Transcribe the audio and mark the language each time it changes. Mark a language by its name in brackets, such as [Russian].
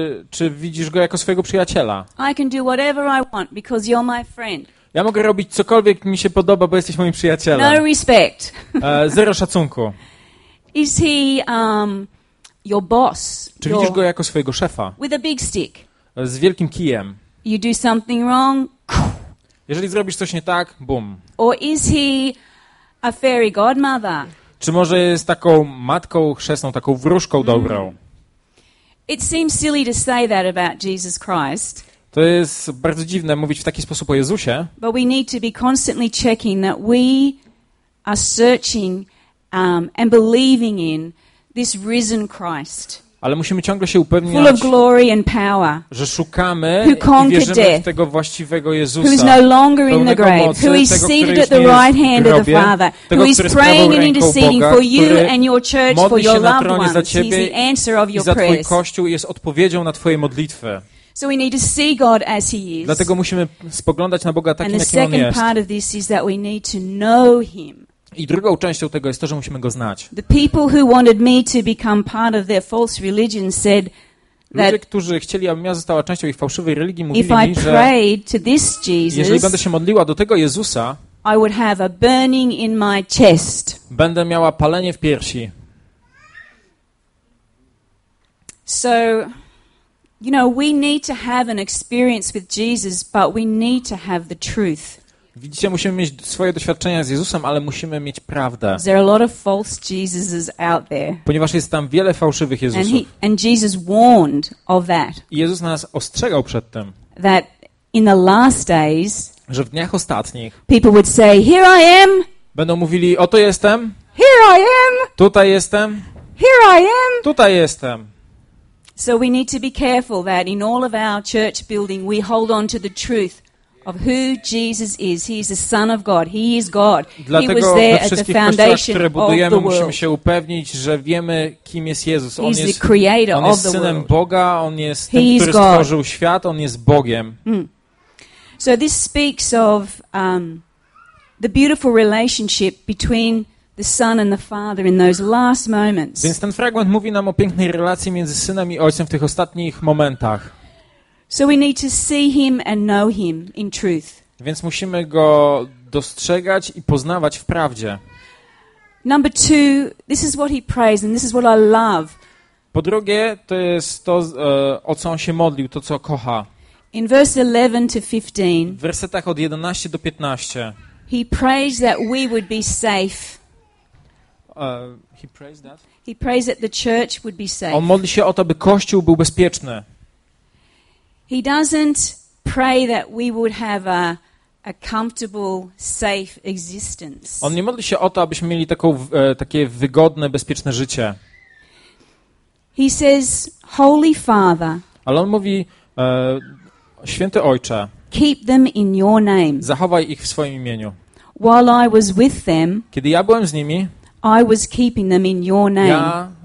[Polish] Czy widzisz go jako swojego przyjaciela? [English] I can do whatever I want because you're my friend. [Polish] Ja mogę robić cokolwiek mi się podoba, bo jesteś moim przyjacielem. [English] No respect. [Polish] Zero szacunku. [English] Is he your boss? [Polish] Czy widzisz go jako swojego szefa? [English] With a big stick. [Polish] Z wielkim kijem. [English] You do something wrong. [Polish] Jeżeli zrobisz coś nie tak, boom. [English] Or is he a fairy godmother? [Polish] Czy może jest taką matką chrzestną, taką wróżką dobrą? [English] It seems silly to say that about Jesus Christ. [Polish] To jest bardzo dziwne mówić w taki sposób o Jezusie. [English] But we need to be constantly checking that we are searching and believing in this risen Christ. [Polish] Ale musimy ciągle się upewniać, [English] full of glory and power, [Polish] że szukamy i wierzymy [English] death, [Polish] w tego właściwego Jezusa, [English] who is no longer in the grave, who is seated at the right hand of the Father, who is praying and interceding for you and your church, for your loved ones. He's the answer of your prayers. [Polish] I za twój kościół jest odpowiedzią na twoje modlitwy. [English] So we need to see God as he is. [Polish] Dlatego musimy spoglądać na Boga takim, jakim on jest. [English] And the second part of this is that we need to know him. [Polish] I drugą częścią tego jest to, że musimy go znać. [English] The people who wanted me to become part of their false religion said that [Polish] ludzie, którzy chcieli, abym ja została częścią ich fałszywej religii, mówili mi, że jeżeli będę się modliła do tego Jezusa, [English] I would have a burning in my chest. [Polish] Będę miała palenie w piersi. [English] So, you know, we need to have an experience with Jesus, but we need to have the truth. [Polish] Widzicie, musimy mieć swoje doświadczenia z Jezusem, ale musimy mieć prawdę. [English] There are a lot of false Jesuses out there. [Polish] Ponieważ jest tam wiele fałszywych Jezusów. [English] And Jesus warned of that. [Polish] I Jezus nas ostrzegał przed tym. [English] That in the last days, [Polish] że w dniach ostatnich, [English] people would say, "Here I am." [Polish] Będą mówili: "Oto jestem." [English] "Here I am." [Polish] "Tutaj jestem." [English] "Here I am." [Polish] "Tutaj jestem." [English] So we need to be careful that in all of our church building we hold on to the truth of who Jesus is. He is the Son of God. He is God. [Polish] Dlatego we wszystkich kościołach, które budujemy, musimy się upewnić, że wiemy, kim jest Jezus. On jest synem Boga, on jest tym, który stworzył świat, on jest Bogiem. [English] So this speaks of the beautiful relationship between the Son and the Father in those last moments. [Polish] Więc ten fragment mówi nam o pięknej relacji między Synem i Ojcem w tych ostatnich momentach. [English] So we need to see him and know him in truth. [Polish] Więc musimy go dostrzegać i poznawać w prawdzie. [English] Number two, this is what he prays and this is what I love. [Polish] Po drugie, to jest to, o co on się modlił, to co kocha. [English] In verse 11 to 15. [Polish] W wersetach od 11 do 15. [English] He prays that we would be safe. He prays that. He prays that the church would be safe. [Polish] On modli się o to, by kościół był bezpieczny. [English] He doesn't pray that we would have a comfortable, safe existence. [Polish] On nie modli się o to, abyśmy mieli takie wygodne, bezpieczne życie. [English] He says, "Holy Father." [Polish] Ale on mówi: Święty Ojcze, [English] keep them in your name. [Polish] Zachowaj ich w swoim imieniu. [English] While I was with them, [Polish] kiedy ja byłem z nimi, [English] I was keeping them in your name.